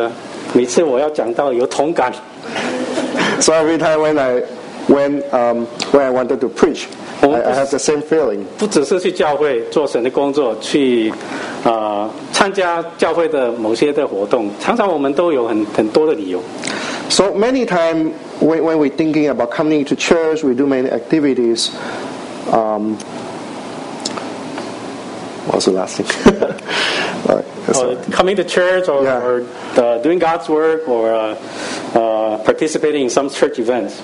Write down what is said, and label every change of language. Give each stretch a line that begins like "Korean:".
Chinese: 其实这个每次我要讲到有同感。
English: So every time when I wanted to preach, I have the same feeling.
Chinese: 不只是去教会做神的工作, 去参加教会的某些的活动, 常常我们都有很多的理由。
English: So many times when we're thinking about coming to church, we do many activities. What's the last thing? Coming to church or doing God's work or participating in some church events.